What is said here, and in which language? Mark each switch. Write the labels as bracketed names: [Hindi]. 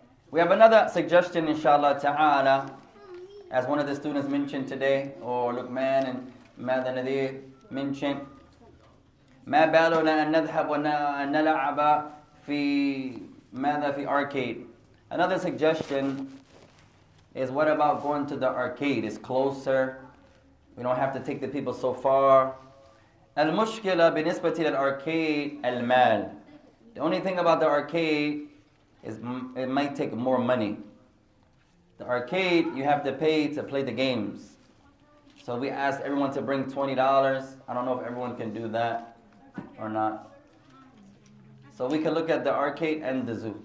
[English] We have another suggestion, inshallah ta'ala, as one of the students mentioned today, or Luqman and Madan Nadir mentioned. [Arabic] مَا بَالُنَا أَن نَذْهَبْ وَنَلَعَبَ فِي مَاذَا فِي arcade. [English] Another suggestion is what about going to the arcade? It's closer. We don't have to take the people so far. [Arabic] المشكلة بالنسبة للأركيد المال. [English] The only thing about the arcade is it might take more money. The arcade, you have to pay to play the games. So we asked everyone to bring $20. I don't know if everyone can do that or not. So we can look at the arcade and the zoo.